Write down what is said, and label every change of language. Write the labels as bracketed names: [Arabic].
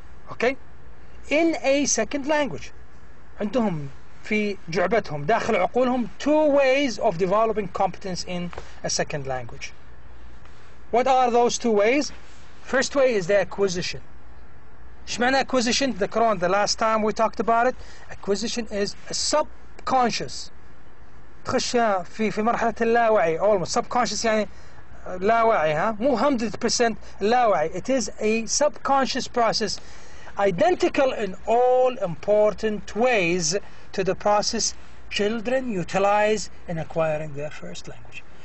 [English] Okay? In a second language. [Arabic] عندهم في جعبتهم, داخل عقولهم, [English] two ways of developing competence in a second language. What are those two ways? First way is the acquisition. [Arabic] شمعنى [English] acquisition? The Quran, the last time we talked about it, acquisition is a subconscious. [Arabic] تخش في مرحلة اللاوعي, [English] almost subconscious, [Arabic] يعني لاوعي, ها؟ مو 100% لاوعي. [English] It is a subconscious process identical in all important ways to the process children utilize in acquiring their first language.